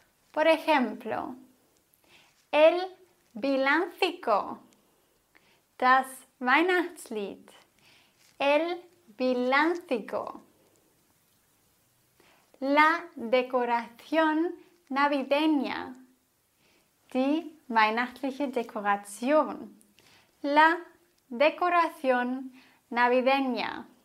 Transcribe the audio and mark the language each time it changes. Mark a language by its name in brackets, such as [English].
[Spanish] Por ejemplo, el villancico, [German] das Weihnachtslied. [Spanish] El villancico. La decoración navideña. [German] Die weihnachtliche Dekoration. [Spanish] La decoración navideña.